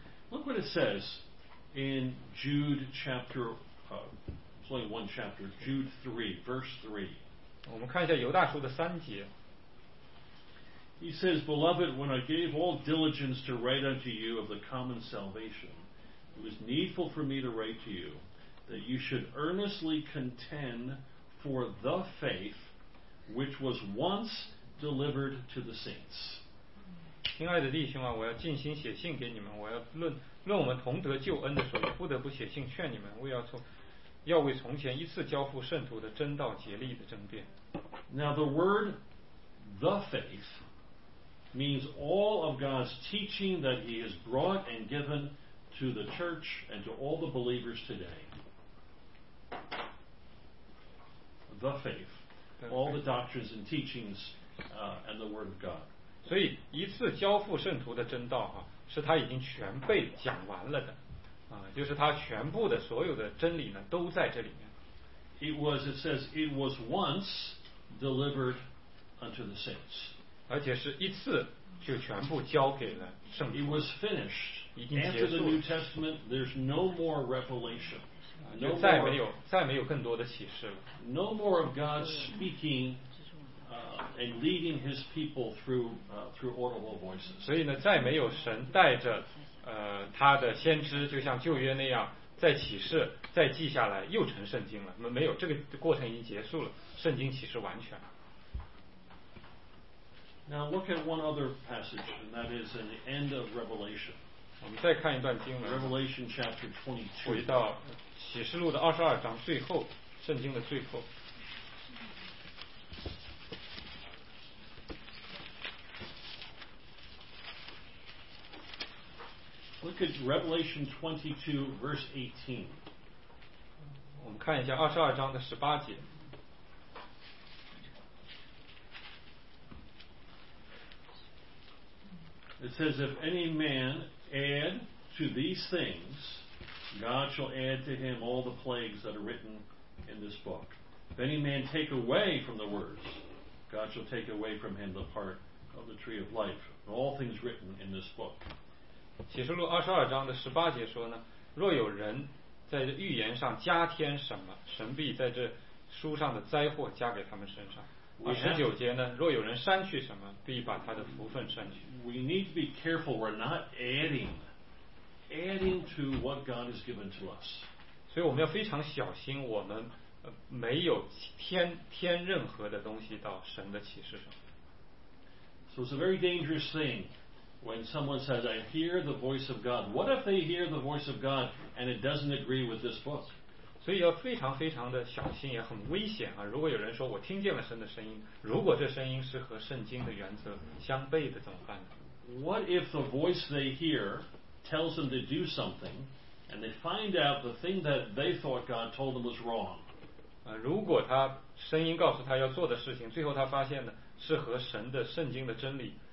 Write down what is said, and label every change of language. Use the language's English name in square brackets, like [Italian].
[English] Look what it says in Jude chapter, it's only one chapter, Jude 3, verse 3. [Chinese] 我们看一下犹大书的三节。 [English] He says, Beloved, when I gave all diligence to write unto you of the common salvation, it was needful for me to write to you that you should earnestly contend for the faith which was once delivered to the saints. [Chinese] 亲爱的弟兄啊，我要尽心写信给你们，我要论我们同得救恩的时候，不得不写信劝你们，为要从要为从前一次交付圣徒的真道竭力的争辩。 [English] Now the word the faithmeans all of God's teaching that he has brought and given to the church and to all the believers today. The faith. All the doctrines and teachings and the word of God. [Chinese] 所以一次交付圣徒的真道啊，是他已经全被讲完了的，啊，就是他全部的所有的真理呢都在这里面。 [English] It was, it says, it was once delivered unto the saints. [Chinese] 而且是一次就全部交给了圣徒。 [English] It was finished. After the New Testament, there's no more revelation. [Chinese] 就再没有更多的启示了。 [English] No more of God speaking. And leading his people through audible voices. [Chinese] 所以呢，再没有神带着他的先知，就像旧约那样，再启示，再记下来，又成圣经了。没有，这个过程已经结束了，圣经启示完全了。 [English] Now look at one other passage, and that is in the end of Revelation. [Chinese] 我们再看一段经文。 [English] Revelation chapter 22. [Chinese] 回到启示录的二十二章最后，圣经的最后。 [English] Look at Revelation 22, verse 18. [Chinese] 我们看一下二十二章的十八节。 [English] It says, "If any man add to these things, God shall add to him all the plagues that are written in this book. If any man take away from the words, God shall take away from him the part of the tree of life, and all things written in this book." [Chinese] 启示录二十二章的十八节说呢，若有人在这预言上加添什么，神必在这书上的灾祸加给他们身上。二十九节呢，若有人删去什么，必把他的福分删去。 [English] We need to be careful. We're not adding to what God has given to us. [Chinese] 所以我们要非常小心，我们没有添任何的东西到神的启示上。 [English] So it's a very dangerous thing. When someone says, "I hear the voice of God," what if they hear the voice of God and it doesn't agree with this book? [Chinese] 所以要非常非常的小心，也很危险啊！如果有人说我听见了神的声音，如果这声音是和圣经的原则相悖的，怎么办呢？ [English] What if the voice they hear tells them to do something, and they find out the thing that they thought God told them was wrong? [Chinese] 如果他声音告诉他要做的事情，最后他发现呢是和神的圣经的真理。